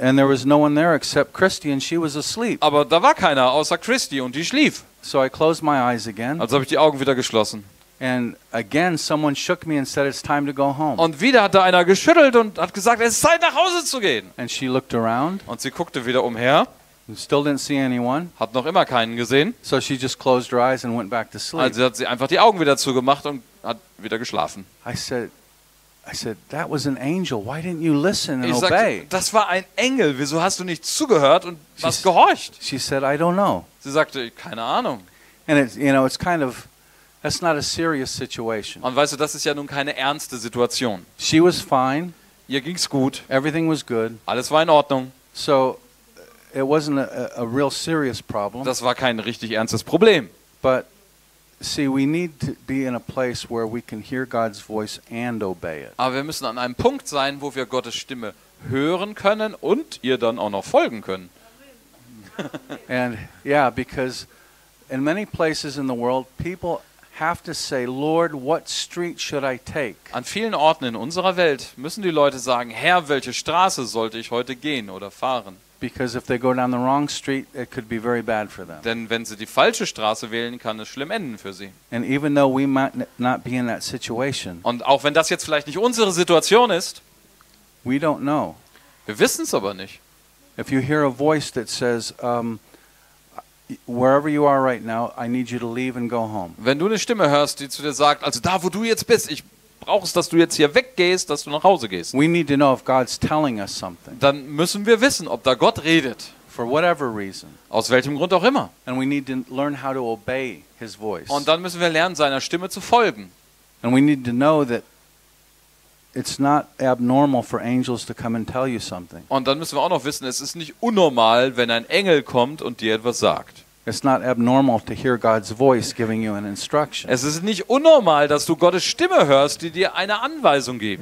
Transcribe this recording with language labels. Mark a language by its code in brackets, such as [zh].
[en] And there was no one there except Christy, and she was asleep. [de] Aber da war keiner außer Christy und die schlief. [en] So I closed my eyes again. [de] Also habe ich die Augen wieder geschlossen. [en] And again someone shook me and said it's time to go home. [de] Und wieder hat da einer geschüttelt und hat gesagt, es ist Zeit nach Hause zu gehen. [en] And she looked around. [de] Und sie guckte wieder umher. [en] Still didn't see anyone. [de] Hat noch immer keinen gesehen. [en] So she just closed her eyes and went back to sleep. [de] Also hat sie einfach die Augen wieder zugemacht und hat wieder geschlafen. [en] I said that was an angel. Why didn't you listen and obey? [de] Das war ein Engel. Wieso hast du nicht zugehört und hast gehorcht? [en] She said I don't know. [de] Sie sagte, keine Ahnung. [en] And it, you know, it's kind of that's not a serious situation. [de] Und weißt du, das ist ja nun keine ernste Situation. [en] She was fine. [de] Ihr ging's gut. [en] Everything was good. [de] Alles war in Ordnung. [en] So it wasn't a real serious problem. [de] Das war kein richtig ernstes Problem. [en] But see, we need to be in a place where we can hear God's voice and obey it. [de] Aber wir müssen an einem Punkt sein, wo wir Gottes Stimme hören können und ihr dann auch noch folgen können. [en] And yeah, because in many places in the world, people have to say, Lord, what street should I take? [de] An vielen Orten in unserer Welt müssen die Leute sagen, Herr, welche Straße sollte ich heute gehen oder fahren? [en] Because if they go down the wrong street, it could be very bad for them. [de] Denn wenn sie die falsche Straße wählen, kann es schlimm enden für sie. [en] And even though we might not be in that situation. [de] Und auch wenn das jetzt vielleicht nicht unsere Situation ist, [en] we don't know. [de] Wir wissen es aber nicht. [en] If you hear a voice that says, wherever you are right now, I need you to leave and go home. [de] Wenn du eine Stimme hörst, die zu dir sagt, also da wo du jetzt bist, ich brauchst, dass du jetzt hier weggehst, dass du nach Hause gehst. [en] We need to know if God's telling us something. [de] Dann müssen wir wissen, ob da Gott redet. [en] For whatever reason. [de] Aus welchem Grund auch immer. [en] And we need to learn how to obey his voice. [de] Und dann müssen wir lernen, seiner Stimme zu folgen. [en] And we need to know that it's not abnormal for angels to come and tell you something. [de] Und dann müssen wir auch noch wissen, es ist nicht unnormal, wenn ein Engel kommt und dir etwas sagt. [en] It's not abnormal to hear God's voice giving you an instruction. [de] Es ist nicht unnormal, dass du Gottes Stimme hörst, die dir eine Anweisung gibt.